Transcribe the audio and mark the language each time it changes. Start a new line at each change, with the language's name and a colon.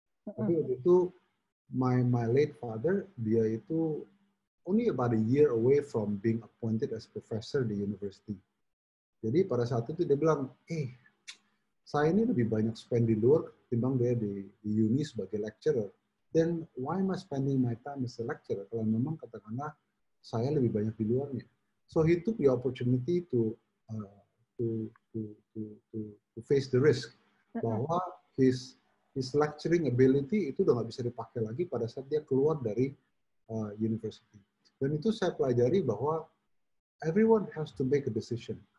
Indonesian: Tapi waktu itu,
English: My late father, dia itu only about a year away from being appointed as professor di university.
Indonesian: Jadi pada saat itu dia bilang, saya ini lebih banyak spend di luar ketimbang dia di uni sebagai lecturer.
English: Then why am I spending my time as a lecturer?
Indonesian: Kalau memang katakanlah saya lebih banyak di luarnya.
English: So he took the opportunity to face the risk bahwa his lecturing ability
Indonesian: itu udah nggak bisa dipakai lagi pada saat dia keluar dari
English: university.
Indonesian: Dan itu saya pelajari bahwa
English: everyone has to make a decision.